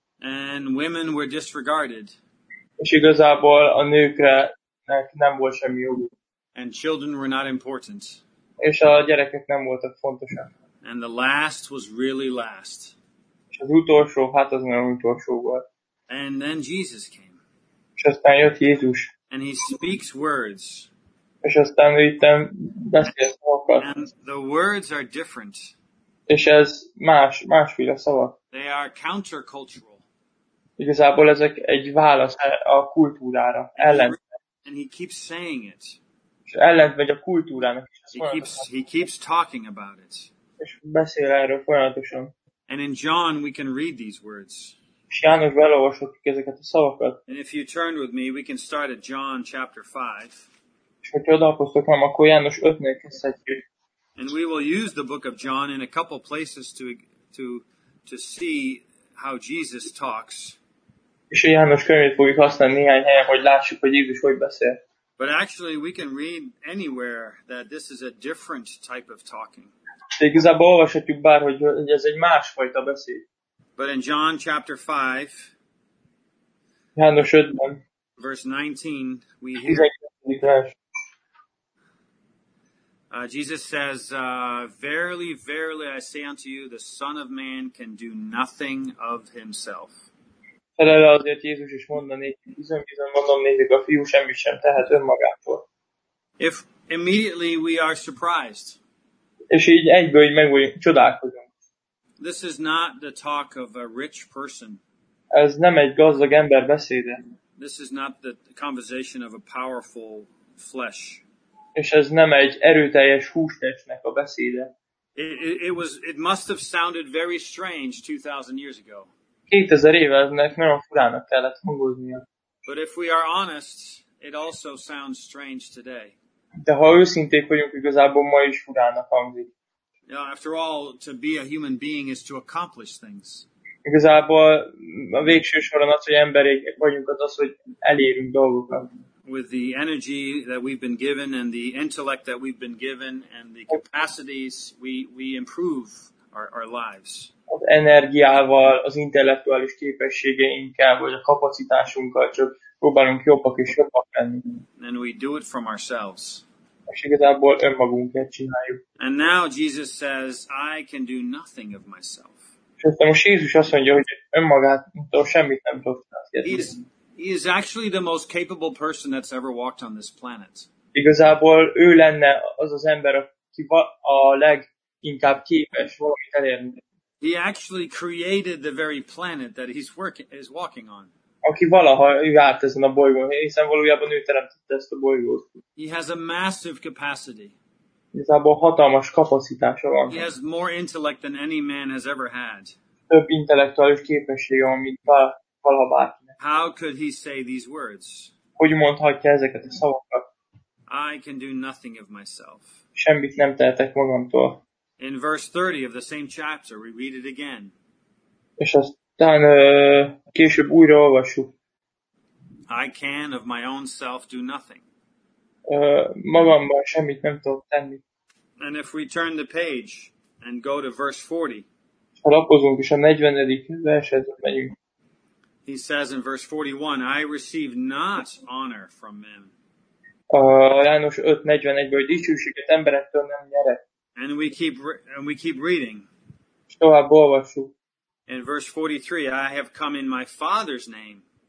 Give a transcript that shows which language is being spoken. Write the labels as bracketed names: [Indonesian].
[English] And women were disregarded. [Hungarian] És igazából a nőknek nem volt semmi joguk. [English] And children were not important. [Hungarian] És a gyerekek nem voltak fontosak. [English] And the last was really last. [Hungarian] És az utolsó, hát az nagyon utolsó volt. [English] And then Jesus came. [Hungarian] És aztán jött Jézus. [English] And he speaks words. [Hungarian] És aztán ő itten beszél szavakat. [English] And the words are different. [Hungarian] És ez más, másféle szavak. [English] They are countercultural. [Hungarian] Igazából ezek egy válasz a kultúrára, ellen. [English] And he keeps saying it. [Hungarian] És ellent megy a kultúrának. [English] He keeps talking about it. [Hungarian] És beszél erről folyamatosan. [English] And in John we can read these words. [Hungarian] És Jánosban elolvashatjuk ezeket a szavakat. [English] And if you turn with me, we can start at John chapter 5. [Hungarian] És hogyha odahoztok nem, akkor János 5-nél kezdhetjük. [English] And we will use the book of John in a couple places to see how Jesus talks. [Hungarian] És a János könyvét fogjuk használni néhány helyen, hogy lássuk, hogy Jézus hogy beszél. [English] But actually we can read anywhere that this is a different type of talking. [Hungarian] De igazából olvashatjuk bár, hogy ez egy másfajta beszéd. [English] But in John chapter 5, [Hungarian] János 5-ben, [English] verse 19, we hear, Jesus says, verily, verily, I say unto you, the Son of Man can do nothing of himself. [Hungarian] Felele azért Jézus is mondani, bizony-bizony mondom nézik, a fiú semmit sem tehet önmagától. [English] If immediately we are surprised. [Hungarian] És így egyből így meg vagyunk, csodálkozunk. [English] This is not the talk of a rich person. [Hungarian] Ez nem egy gazdag ember beszéde. [English] This is not the conversation of a powerful flesh. [Hungarian] És ez nem egy erőteljes hústestnek a beszéde. [English] It must have sounded very strange 2000 years ago. [Hungarian] 2000 éve ennek nagyon furának kellett hangoznia. [English] But if we are honest, it also sounds strange today. [Hungarian] De ha őszinték vagyunk, igazából ma is furának hangzik. [English] Yeah, after all, to be a human being is to accomplish things. [Hungarian] Igazából a végső soron az, hogy emberek vagyunk, az, hogy elérünk dolgokat. [English] With the energy that we've been given and the intellect that we've been given and the capacities, we improve our lives. [Hungarian] Az energiával, az intellektuális képességeinkkel, vagy a kapacitásunkkal csak próbálunk jobbak és jobbak lenni. [English] And we do it from ourselves. [Hungarian] És igazából önmagunkat csináljuk. [English] And now Jesus says, I can do nothing of myself. [Hungarian] És aztán most Jézus azt mondja, hogy önmagától semmit nem tudok csinálni. [English] He is actually the most capable person that's ever walked on this planet. [Hungarian] Igazából ő lenne az az ember, aki a leginkább képes valamit elérni. [English] He actually created the very planet that he's walking on. [Hungarian] Aki valaha járt ezen a bolygón, hiszen valójában ő teremtette ezt a bolygót. [English] He has a massive capacity. [Hungarian] Igazából hatalmas kapacitása van. [English] He has more intellect than any man has ever had. [Hungarian] Több intellektuális képessége van, mint valaha bárkinek. [English] How could he say these words? [Hungarian] Hogy mondhatja ezeket a szavakat? [English] I can do nothing of myself. [Hungarian] Semmit nem tehetek magamtól. [English] In verse 30 of the same chapter, we read it again. [Hungarian] És aztán később újra olvassuk. [English] I can of my own self do nothing. [Hungarian] Magamban semmit nem tudok tenni. [English] And if we turn the page and go to verse 40. [Hungarian] Ha lapozunk, és a 40. verset megyünk. [English] He says in verse 41, I receive not honor from men. [Hungarian] A János 5:41-ből dicsőséget emberektől nem nyerek. [English] And we keep reading. [Hungarian] Tovább olvassuk. [English] In verse 43, I have come in my Father's name.